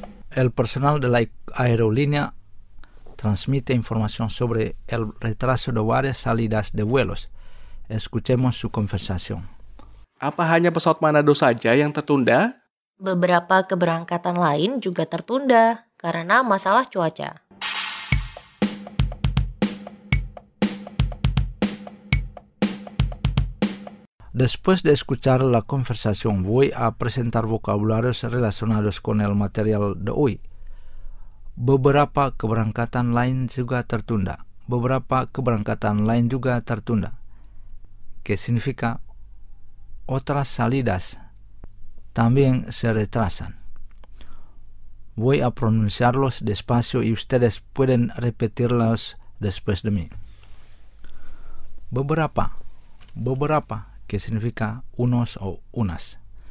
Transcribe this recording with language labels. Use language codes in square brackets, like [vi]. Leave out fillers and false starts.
[es] el personal de la aerolínea transmite información sobre el retraso de varias salidas de vuelos. Escuchemos su conversación. [id] Apa hanya pesawat Manado saja yang tertunda? Beberapa keberangkatan lain juga tertunda karena masalah cuaca. [es] Después de escuchar la conversación, voy a presentar vocabularios relacionados con el material de hoy. [id] Beberapa keberangkatan lain juga tertunda. Beberapa keberangkatan lain juga tertunda. [es] ¿Qué significa? Otras salidas también se retrasan. Voy a pronunciarlos despacio y ustedes pueden repetirlos después de mí. Beberapa. Beberapa. Que significa unos o unas.